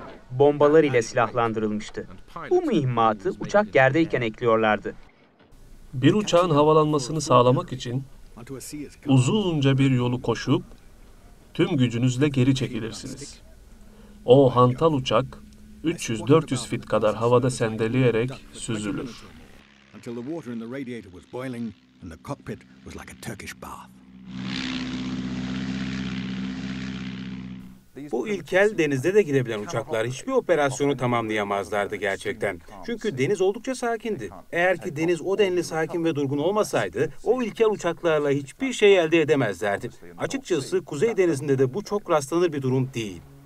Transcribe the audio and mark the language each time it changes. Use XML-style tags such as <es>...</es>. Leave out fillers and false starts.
<tr>Bombalar ile silahlandırılmıştı. Bu mühimmatı uçak yerdeyken ekliyorlardı. Bir uçağın havalanmasını sağlamak için uzunca bir yolu koşup tüm gücünüzle geri çekilirsiniz. O hantal uçak 300-400 feet kadar havada sendeleyerek süzülür.</tr> <en>Until the water in the radiator was boiling and the cockpit was like a Turkish bath.</en> <tr>Bu ilkel denizde de girebilen uçaklar hiçbir operasyonu tamamlayamazlardı gerçekten. Çünkü deniz oldukça sakindi. Eğer ki deniz o denli sakin ve durgun olmasaydı, o ilkel uçaklarla hiçbir şey elde edemezlerdi. Açıkçası Kuzey Denizi'nde de bu çok rastlanır bir durum değil.</tr>